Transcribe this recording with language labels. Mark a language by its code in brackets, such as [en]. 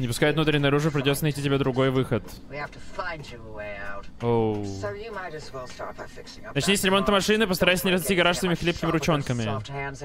[ru] Не пускает внутрь и наружу, придется найти тебе другой выход. [en] We have to find you a way out. So you might as well start by fixing up. [ru] Начни с ремонта машины, постарайся не разбить гараж своими хлипкими ручонками.